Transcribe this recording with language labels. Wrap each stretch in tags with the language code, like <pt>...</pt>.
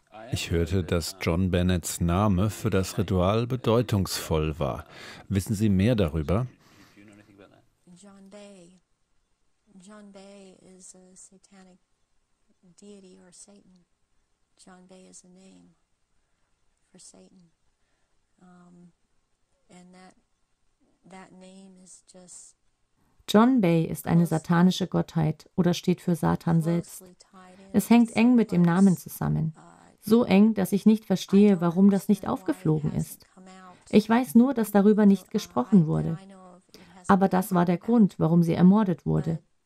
<de>Ich hörte, dass John Bennetts Name für das Ritual bedeutungsvoll war. Wissen Sie mehr darüber?</de> <en>John Bay is a name for Satan, and that name is just.</en> <de>John Bay ist eine satanische Gottheit oder steht für Satan selbst. Es hängt eng mit dem Namen zusammen, so eng, dass ich nicht verstehe, warum das nicht aufgeflogen ist. Ich weiß nur, dass darüber nicht gesprochen wurde. Aber das war der Grund, warum sie ermordet wurde.</de>